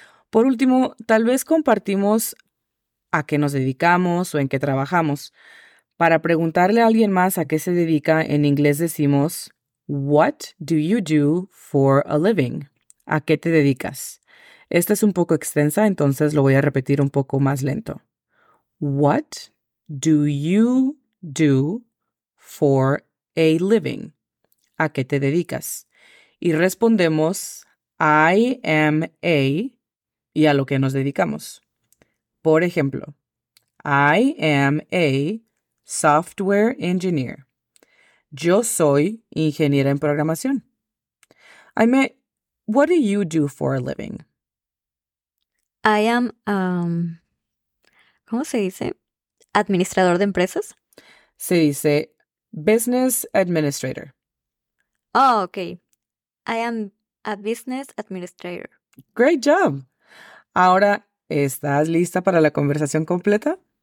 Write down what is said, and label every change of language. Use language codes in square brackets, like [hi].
[es] Por último, tal vez compartimos a qué nos dedicamos o en qué trabajamos. Para preguntarle a alguien más a qué se dedica, en inglés decimos, [en] What do you do for a living? [es] ¿A qué te dedicas? Esta es un poco extensa, entonces lo voy a repetir un poco más lento. [en] What do you do for a living? [es] ¿A qué te dedicas? Y respondemos, [en] I am a, [es] y a lo que nos dedicamos. Por ejemplo, [en] I am a software engineer. [es] Yo soy ingeniera en programación. [en] Aime, what do you do for a living? I am, [es] ¿cómo se dice? ¿Administrador de empresas? Se dice [en] business administrator. Oh, okay. I am a business administrator. Great job. [es] Ahora, ¿estás lista para la conversación completa?